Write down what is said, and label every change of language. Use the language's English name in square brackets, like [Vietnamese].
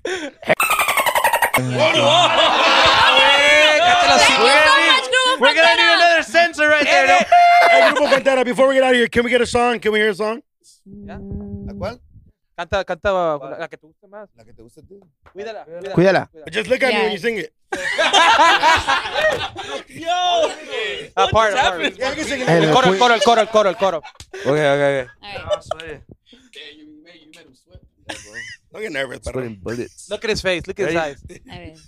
[English] We're gonna need another sensor right there. Hey, Grupo Frontera, before we get out of here, can we get a song? Can we hear a song? Yeah. [Spanish] Canta la que te guste más. La que te guste tú. Cuídala. [English] But just look at me when you sing it. Yo. Apart. [Spanish] El coro. [English] Okay. Don't get nervous. He's putting bullets. Look at his face. Look at his eyes.